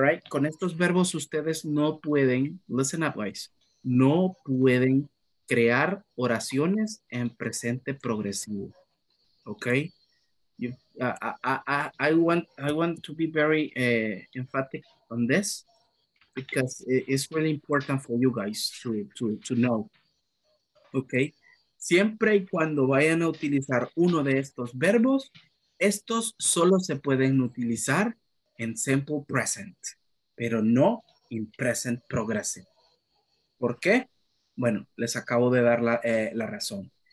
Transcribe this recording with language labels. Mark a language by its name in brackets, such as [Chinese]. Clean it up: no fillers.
[Spanish] Con estos verbos ustedes no pueden, [English] listen up guys, [Spanish] no pueden crear oraciones en presente progresivo. [English] Okay? I want to be very emphatic on this. Because it's really important for you guys to know, okay? [Spanish] Siempre y cuando vayan a utilizar uno de estos verbos, estos solo se pueden utilizar en simple present, pero no [English] in present progressive. [Spanish] ¿Por qué? Bueno, les acabo de dar la razón.